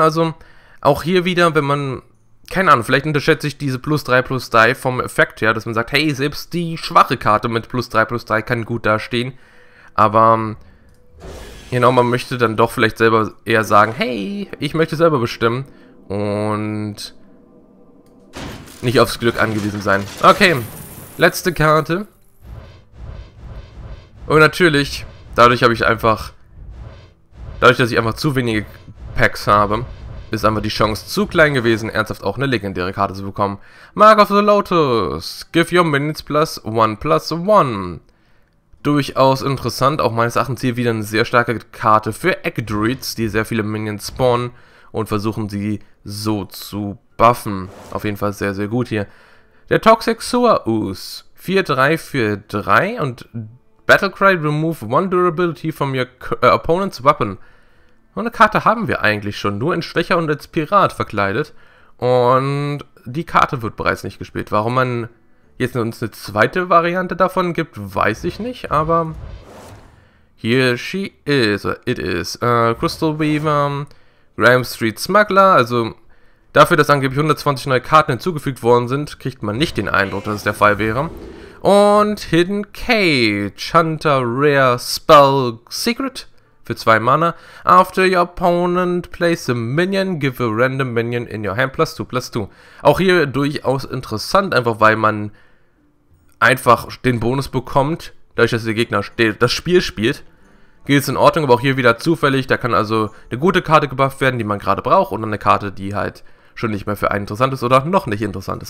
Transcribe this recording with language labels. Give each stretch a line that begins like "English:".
German: Also auch hier wieder, wenn man, keine Ahnung, vielleicht unterschätze ich diese plus 3 plus 3 vom Effekt her, dass man sagt, hey, selbst die schwache Karte mit plus 3 plus 3 kann gut dastehen, aber genau, man möchte dann doch vielleicht selber eher sagen, hey, ich möchte selber bestimmen und nicht aufs Glück angewiesen sein. Okay, letzte Karte. Und natürlich, dadurch, dass ich einfach zu wenige Packs habe, ist einfach die Chance zu klein gewesen, ernsthaft auch eine legendäre Karte zu bekommen.
English: Mark of the Lotus, give your minions plus one.
German: Durchaus interessant, auch meines Erachtens hier wieder eine sehr starke Karte für Eggdruids, die sehr viele Minions spawnen und versuchen sie so zu buffen. Auf jeden Fall sehr, sehr gut hier. Der Toxic Sewer Ooze, 4-3-4-3 und Battlecry,
English: remove one durability from your opponent's weapon.
German: Und eine Karte haben wir eigentlich schon, nur in Schwächer und als Pirat verkleidet. Und die Karte wird bereits nicht gespielt. Warum man jetzt uns eine zweite Variante davon gibt, weiß ich nicht.
English: Aber here she is, it is. Crystal Weaver, Graham Street Smuggler.
German: Also dafür, dass angeblich 120 neue Karten hinzugefügt worden sind, kriegt man nicht den Eindruck, dass es der Fall wäre. Und Hidden Cage, Hunter Rare Spell Secret. Für 2 Mana.
English: After your opponent plays a minion, give a random minion in your hand +2/+2.
German: Auch hier durchaus interessant, einfach weil man einfach den Bonus bekommt, dadurch, dass der Gegner das Spiel spielt. Geht es in Ordnung, aber auch hier wieder zufällig. Da kann also eine gute Karte gebufft werden, die man gerade braucht, und dann eine Karte, die halt schon nicht mehr für einen interessant ist oder noch nicht interessant ist.